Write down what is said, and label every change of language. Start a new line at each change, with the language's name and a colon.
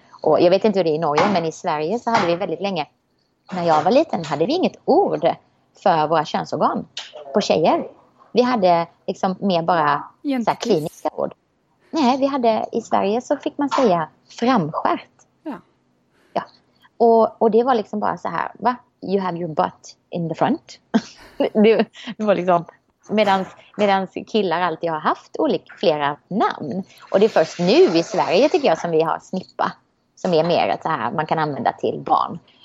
Swedish: Och jag vet inte hur det är i Norge, men i Sverige så hade vi väldigt länge... När jag var liten hade vi inget ord för våra könsorgan på tjejer. Vi hade liksom mer bara så här kliniska ord. Nej, vi hade i Sverige så fick man säga framskärt. Ja. Ja. Och det var liksom bara så här, va?
English: You have your butt in the front.
Swedish: Det var liksom medans killar alltid har haft olika flera namn. Och det är först nu i Sverige tycker jag som vi har snippa som är mer att så här man kan använda till barn.